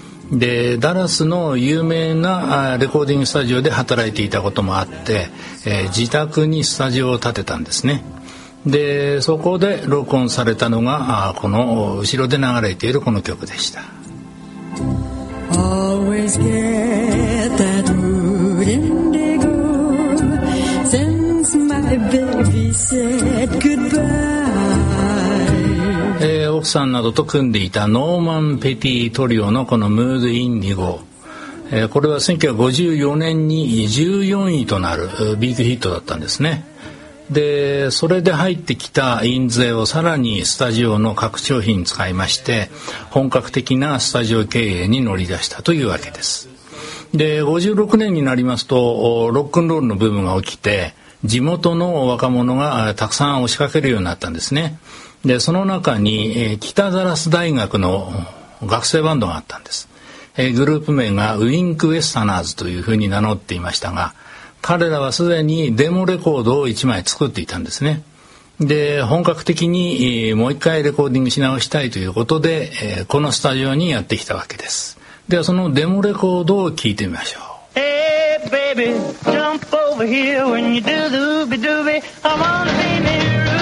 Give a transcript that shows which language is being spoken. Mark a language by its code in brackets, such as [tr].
[ja] でダラスの有名なレコーディングスタジオで働いていたこともあって、自宅にスタジオを建てたんですね。でそこで録音されたのがこの後ろで流れているこの曲でした。 [en] Always get that mood indigo since my baby said goodbye。 [ja] 奥さんなどと組んでいたノーマン・ペティトリオのこのムード・インディゴ、これは1954年に14位となるビッグヒットだったんですね。でそれで入ってきた印税をさらにスタジオの拡張費に使いまして、本格的なスタジオ経営に乗り出したというわけです。で56年になりますとロックンロールのブームが起きて、地元の若者がたくさん押しかけるようになったんですね。でその中に、北ダラス大学の学生バンドがあったんです。グループ名がウィンク・ウェスタナーズというふうに名乗っていましたが、彼らはすでにデモレコードを1枚作っていたんですね。で本格的に、もう一回レコーディングし直したいということで、このスタジオにやってきたわけです。ではそのデモレコードを聞いてみましょう。 [en] Hey baby jump over here when you do the ooby dooby I'm on the beam here